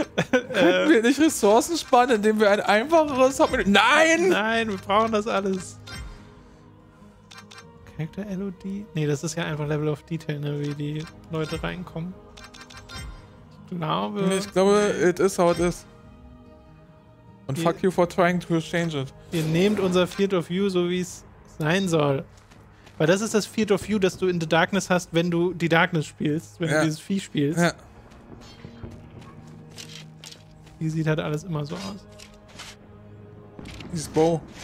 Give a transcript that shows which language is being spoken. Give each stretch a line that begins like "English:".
German: Könnten wir nicht Ressourcen sparen, indem wir ein einfacheres haben? Nein! Nein, wir brauchen das alles. Character LOD? Nee, das ist ja einfach Level of Detail, ne, wie die Leute reinkommen. Ich glaube. Ich glaube,
English: it is how it is.
German: Und
English: fuck you for trying to change it.
German: Ihr nehmt unser Field of View so, wie es sein soll. Weil das ist das Field of View, das du in The Darkness hast, wenn du die Darkness spielst, wenn du dieses Vieh spielst. Ja. Hier sieht halt alles immer so aus. Dieses Bow.